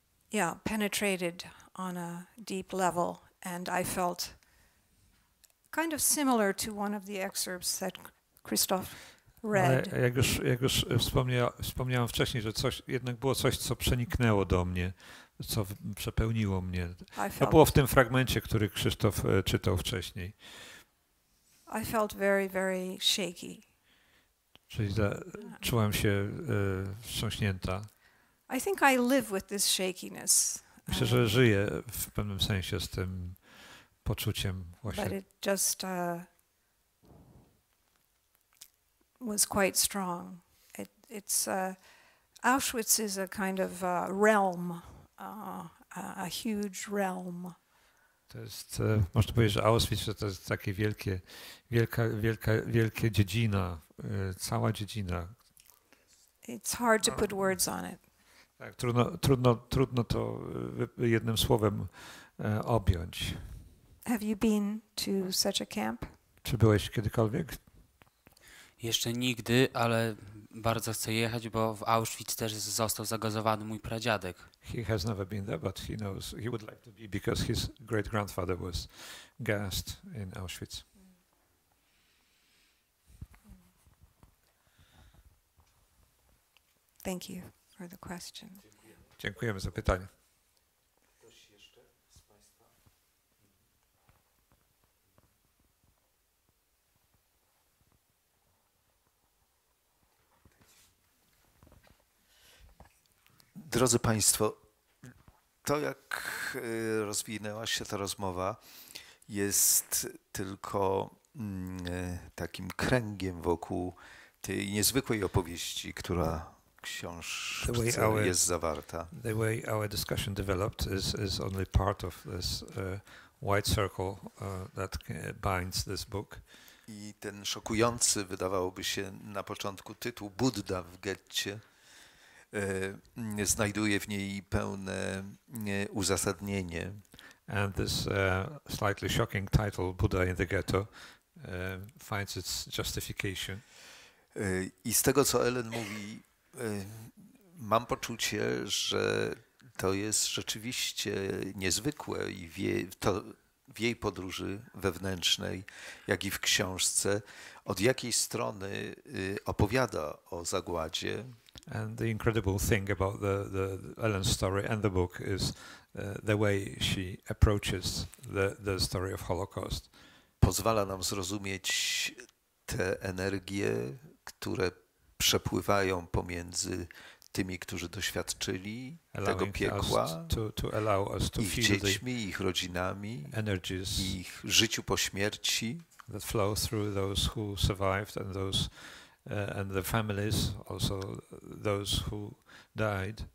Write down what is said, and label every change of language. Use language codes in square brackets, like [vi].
[en] It penetrated on a deep level, and I felt kind of similar to one of the excerpts that Christoph read. [pl] Ale jak już wspomniałam wcześniej, że coś jednak było coś, co przeniknęło do mnie, co przepełniło mnie. To było w tym fragmencie, który Krzysztof czytał wcześniej. [en] I felt very, very shaky. [pl] Czyli czułam się wstrząśnięta. [en] I think I live with this shakiness. [pl] Myślę, że żyję w pewnym sensie z tym poczuciem właśnie. [en] But it just was quite strong. It's Auschwitz is a kind of realm, a huge realm. [pl] To jest, można powiedzieć, że Auschwitz to jest takie wielkie dziedzina, cała dziedzina. [en] It's hard to put words on it. [pl] Tak, trudno to jednym słowem objąć. [en] Have you been to such a camp? [pl] Czy byłeś kiedykolwiek? Jeszcze nigdy, ale bardzo chcę jechać, bo w Auschwitz też został zagazowany mój pradziadek. [en] He has never been there, but he knows he would like to be because his great grandfather was gassed in Auschwitz. Thank you for the question. [pl] Dziękujemy za pytanie. Drodzy Państwo, to jak rozwinęła się ta rozmowa, jest tylko takim kręgiem wokół tej niezwykłej opowieści, która w książce jest zawarta. [en] The way our discussion developed is only part of this white circle that binds this book. [pl] I ten szokujący, wydawałoby się na początku, tytuł Budda w getcie znajduje w niej pełne uzasadnienie. [en] And this slightly shocking title, Buddha in the Ghetto, finds its justification. [pl] I z tego, co Ellen mówi, mam poczucie, że to jest rzeczywiście niezwykłe i w jej podróży wewnętrznej, jak i w książce, od jakiej strony opowiada o zagładzie. [en] And the incredible thing about the Ellen's story and the book is the way she approaches the story of Holocaust. [pl] Pozwala nam zrozumieć te energie, które przepływają pomiędzy tymi, którzy doświadczyli tego piekła, ich dziećmi, ich rodzinami, ich życiu po śmierci. [en] That flow through those who survived and those and the families, also those who died.